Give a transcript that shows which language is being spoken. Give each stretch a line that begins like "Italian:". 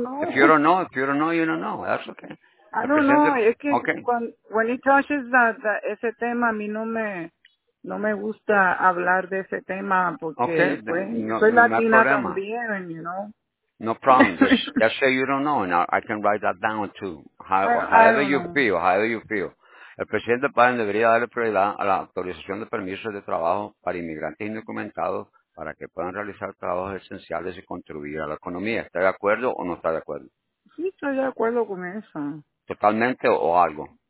English: If you don't know, that's okay. I don't know. When he touches that
Spanish: ese tema, a mí no me gusta hablar de ese tema porque
English: okay.
Spanish: Soy latina también,
English: No problem. Just say you don't know, and I can write that down too. However you feel.
Spanish: El presidente Biden debería darle prioridad a la autorización de permisos de trabajo para inmigrantes indocumentados para que puedan realizar trabajos esenciales y contribuir a la economía. ¿Está de acuerdo o no está de acuerdo? Sí, estoy de acuerdo con eso. ¿Totalmente o algo?